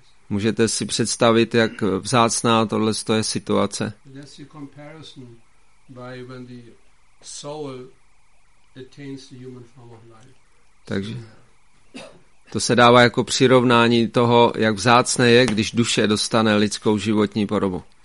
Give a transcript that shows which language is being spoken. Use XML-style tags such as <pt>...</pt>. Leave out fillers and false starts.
<cs>Můžete si představit, jak vzácná tohle je situace?</cs> <en>That's the comparison by when the soul attains the human form of life.</en> <cs>Takže to se dává jako přirovnání toho, jak vzácné je, když duše dostane lidskou životní podobu.</cs>